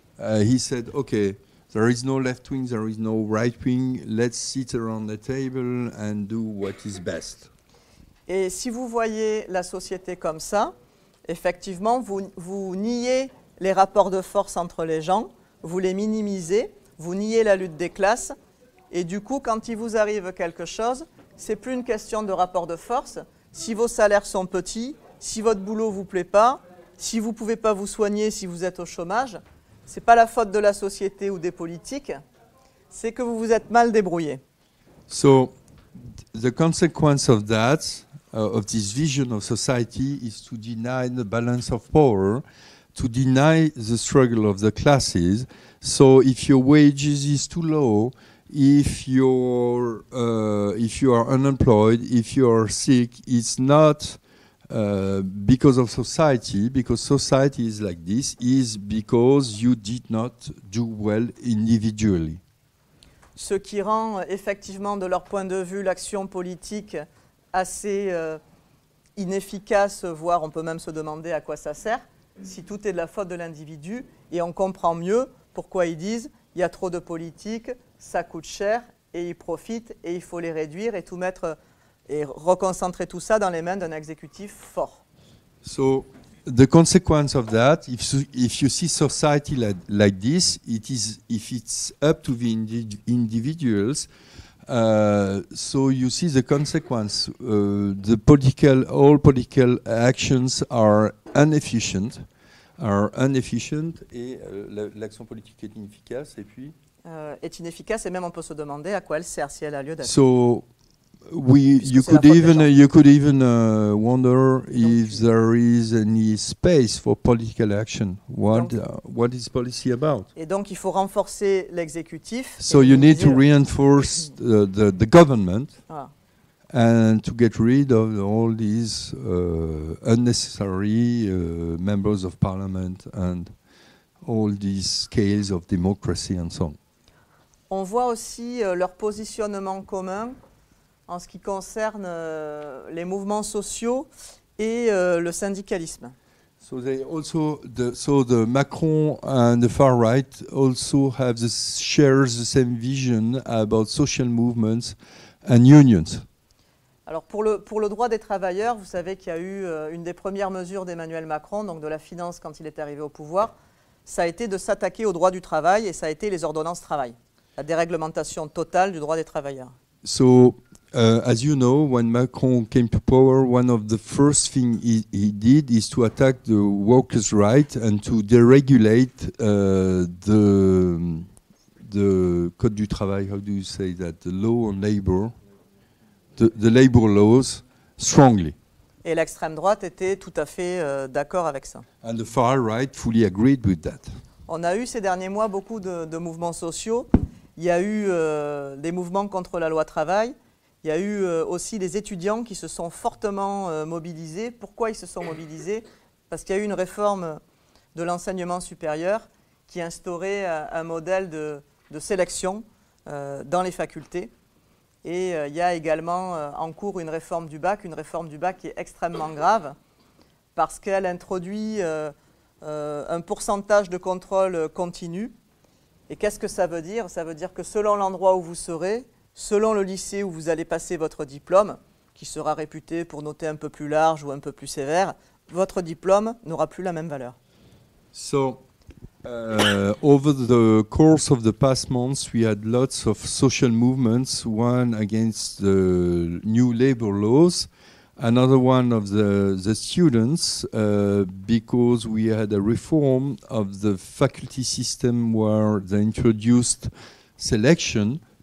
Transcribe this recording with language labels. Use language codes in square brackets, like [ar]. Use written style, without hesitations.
[en] He said, okay, there is no left wing, there is no right wing, let's sit around the table and do what is best. [fr] Et si vous voyez la société comme ça, effectivement, vous niez les rapports de force entre les gens, vous les minimisez, vous niez la lutte des classes, et du coup, quand il vous arrive quelque chose, c'est plus une question de rapport de force. Si vos salaires sont petits, si votre boulot vous plaît pas, si vous pouvez pas vous soigner, si vous êtes au chômage, c'est pas la faute de la société ou des politiques, c'est que vous vous êtes mal débrouillé. [en] So, the consequence of that, of this vision of society, is to deny the balance of power, to deny the struggle of the classes. So, if your wages is too low, if you are unemployed, if you are sick, it's not because of society, because society is like this, is because you did not do well individually. [fr] Ce qui rend effectivement, de leur point de vue, l'action politique assez inefficace, voire on peut même se demander à quoi ça sert, si tout est de la faute de l'individu, et on comprend mieux pourquoi ils disent il y a trop de politique, ça coûte cher, et ils profitent, et il faut les réduire, et tout mettre et reconcentrer tout ça dans les mains d'un exécutif fort. [en] So, the consequence of that, if you see society like this, it is if it's up to the individuals, so you see the consequence. The political, all political actions are inefficient, [fr] et l'action politique est inefficace, et puis est inefficace, et même on peut se demander à quoi elle sert si elle a lieu d'être. [en] So, You could even wonder if there is any space for political action. What is policy about? [fr] Et donc il faut renforcer l'exécutif. [en] So you need to reinforce the government and to get rid of all these unnecessary members of parliament and all these scales of democracy and so on. [fr] On voit aussi leur positionnement commun en ce qui concerne les mouvements sociaux et le syndicalisme. [en] So they also the Macron and the far right also have the shares the same vision about social movements and unions. [fr] Alors pour le droit des travailleurs, vous savez qu'il y a eu une des premières mesures d'Emmanuel Macron, donc de la finance quand il est arrivé au pouvoir, ça a été de s'attaquer au droit du travail et ça a été les ordonnances travail, la déréglementation totale du droit des travailleurs. [en] So as you know, when Macron came to power, one of the first things he did is to attack the workers' rights and to deregulate the Code du Travail, how do you say that, the law on labor, the labor laws, strongly. [fr] Et l'extrême droite était tout à fait d'accord avec ça. [en] And the far right fully agreed with that. [fr] On a eu ces derniers mois beaucoup de mouvements sociaux. Il y a eu des mouvements contre la loi travail. Il y a eu aussi des étudiants qui se sont fortement mobilisés. Pourquoi ils se sont mobilisés? Parce qu'il y a eu une réforme de l'enseignement supérieur qui instaurait un modèle de sélection dans les facultés. Et il y a également en cours une réforme du bac, qui est extrêmement grave parce qu'elle introduit un pourcentage de contrôle continu. Et qu'est-ce que ça veut dire? Ça veut dire que selon l'endroit où vous serez, selon le lycée où vous allez passer votre diplôme, qui sera réputé pour noter un peu plus large ou un peu plus sévère, votre diplôme n'aura plus la même valeur. [en] So, over the course of the past months, we had lots of social movements, one against the new labor laws, another one of the students, because we had a reform of the faculty system where they introduced selection.